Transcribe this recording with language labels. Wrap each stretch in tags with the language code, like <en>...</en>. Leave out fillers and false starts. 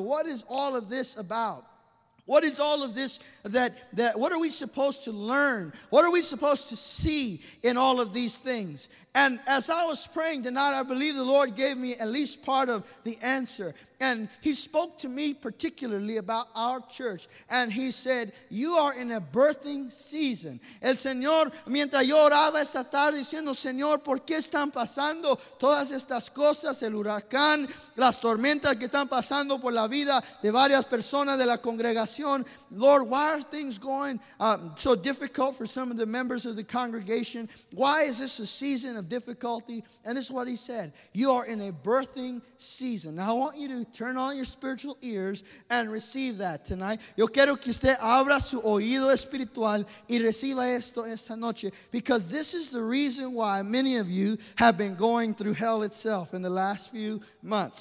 <en>What is all of this about? What is all of this that what are we supposed to learn? What are we supposed to see in all of these things? And as I was praying tonight, I believe the Lord gave me at least part of the answer. And he spoke to me particularly about our church. And he said, you are in a birthing season.</en> <es>El Señor, mientras yo oraba esta tarde diciendo, Señor, ¿por qué están pasando todas estas cosas? El huracán, las tormentas que están pasando por la vida de varias personas de la congregación.</es> <en>Lord, why are things going so difficult for some of the members of the congregation? Why is this a season of difficulty? And this is what he said, you are in a birthing season. Now I want you to turn on your spiritual ears and receive that tonight.</en> <es>Yo quiero que usted abra su oído espiritual y reciba esto esta noche,</es> <en>because this is the reason why many of you have been going through hell itself in the last few months.</en>